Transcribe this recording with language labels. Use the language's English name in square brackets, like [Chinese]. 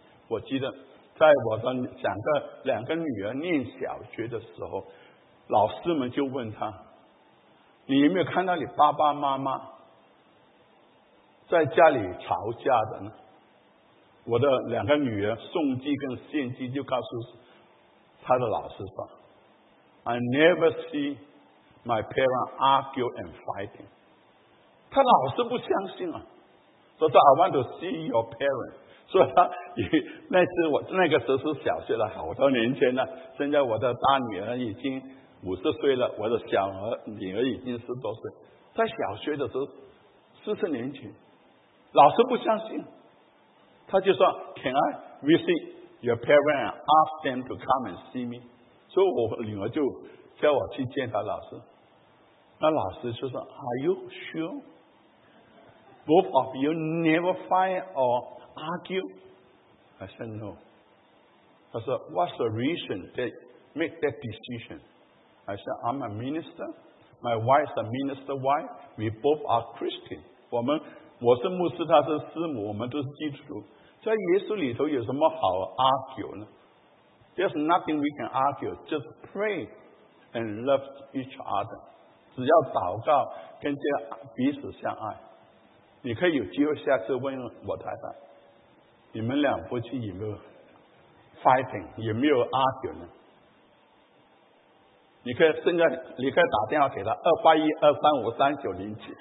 [Chinese] 我记得在我的两个女儿念小学的时候，老师们就问他，你有没有看到你爸爸妈妈在家里吵架的呢？我的两个女儿宋基跟献基就告诉她的老师说， [English] I never see my parents argue and fighting。 [Chinese] 她老师不相信啊，说 [English] I want to see your parents。 [Chinese] 所以她那次我那个时候是小学了，好多年前了，现在我的大女儿已经50岁了，我的小女儿已经10多岁，在小学的时候40年前，老师不相信，他就说 [English] Can I visit your parents and ask them to come and see me。 [Chinese] 所以我女儿就叫我去见他老师，那老师就说 [English] Are you sure both of you never fight or argue？ I said no。 [Chinese] 他说 [English] What's the reason they make that decision？ I said I'm a minister, my wife is a minister wife, we both are Christian。 [Chinese] 我是牧师，他是师母，我们都是基督徒，在耶稣里头有什么好 argue 呢？ [English] There's nothing we can argue, just pray and love each other。 [Chinese] 只要祷告跟这彼此相爱。你可以有机会下次问我太太，你们两夫妻有没有 fighting， 有没有 argue 呢？你可以现在你可以打电话给他2812353909。